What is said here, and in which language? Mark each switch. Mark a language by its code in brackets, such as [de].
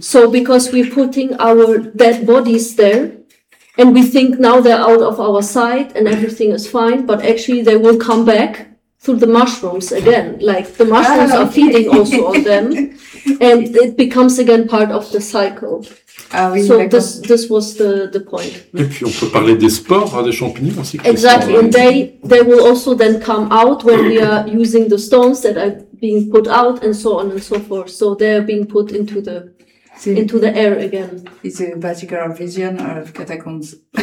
[en] So because we're putting our dead bodies there. And we think now they're out of our sight and everything is fine, but actually they will come back through the mushrooms again. Like the mushrooms are feeding also on them, and it becomes again part of the cycle. This was the point. [fr] Et puis on peut parler des spores, hein, des champignons aussi. [en] Exactly, and they will also then come out when we are using the stones that I being put out and so on and so forth. So they are being put into the air again. It's a particular vision of catacombs.